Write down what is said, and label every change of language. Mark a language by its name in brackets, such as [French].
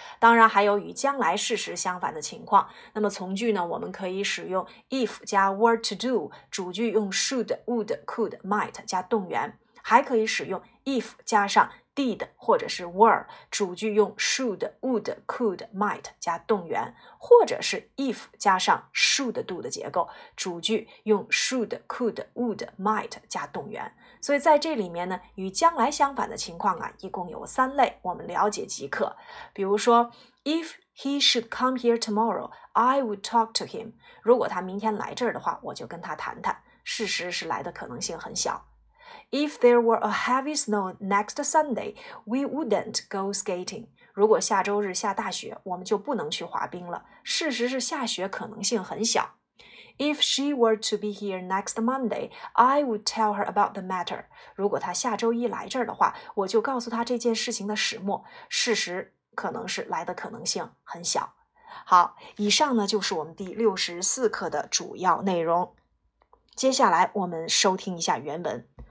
[Chinese] 当然还有与将来事实相反的情况，那么从句呢我们可以使用 if 加 were to do, 主句用 should, would, could, might 加动员，还可以使用 if 加上 did 或者是 were, 主句用 should, would, could, might 加动员，或者是 if 加上 should do 的结构，主句用 should, could, would, might 加动员。所以在这里面呢，与将来相反的情况啊，一共有三类，我们了解即可。 [English] 比如说 ,if he should come here tomorrow, I would talk to him. [Chinese] 如果他明天来这儿的话，我就跟他谈谈。事实是来的可能性很小。 [English] If there were a heavy snow next Sunday, we wouldn't go skating. [Chinese] 如果下周日下大雪，我们就不能去滑冰了。事实是下雪可能性很小。 [English] If she were to be here next Monday, I would tell her about the matter. [Chinese] 如果她下周一来这儿的话，我就告诉她这件事情的始末。事实可能是来的可能性很小。好，以上呢就是我们第64课的主要内容。接下来我们收听一下原文。